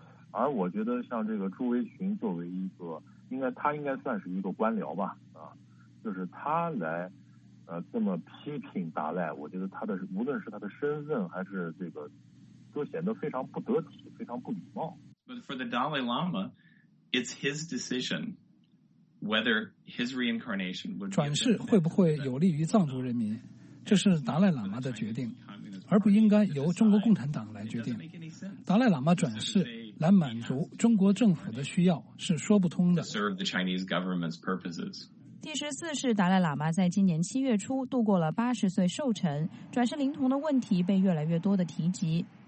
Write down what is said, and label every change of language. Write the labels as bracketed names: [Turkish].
[Chinese] 而我觉得像这个朱维群作为一个，他应该算是一个官僚吧，就是他来这么批评达赖，我觉得他的无论是他的身份还是这个，都显得非常不得体，非常不礼貌。 [English] But for the Dalai Lama, it's his decision whether his reincarnation would be [Chinese] 转世会不会有利于藏族人民，这是达赖喇嘛的决定，而不应该由中国共产党来决定。达赖喇嘛转世来满足中国政府的需要是说不通的。 [English] Serve the Chinese government's purposes。 [Chinese] 第14世达赖喇嘛在今年7月初度过了80岁寿辰，转世灵童的问题被越来越多的提及。